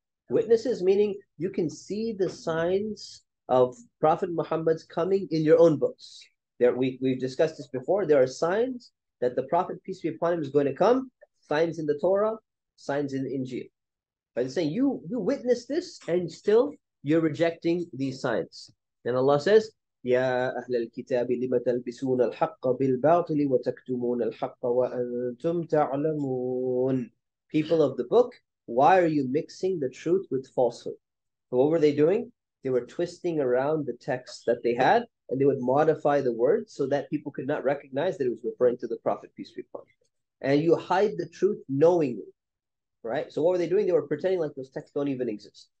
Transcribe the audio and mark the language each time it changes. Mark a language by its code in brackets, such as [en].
[en] Witnesses meaning you can see the signs of Prophet Muhammad's coming in your own books. We've discussed this before. There are signs that the Prophet, peace be upon him, is going to come. Signs in the Torah, signs in the Injil. But it's saying you witness this and still you're rejecting these signs. And Allah says, [ar] يَا أَهْلَ الْكِتَابِ لِمَ تَلْبِسُونَ الْحَقَّ بِالْبَاطِلِ وَتَكْتُمُونَ الْحَقَّ وَأَنْتُمْ تَعْلَمُونَ. [en] People of the book, why are you mixing the truth with falsehood? What were they doing? They were twisting around the text that they had, and they would modify the words so that people could not recognize that it was referring to the Prophet, peace be upon him. And you hide the truth knowingly, right? So what were they doing? They were pretending like those texts don't even exist.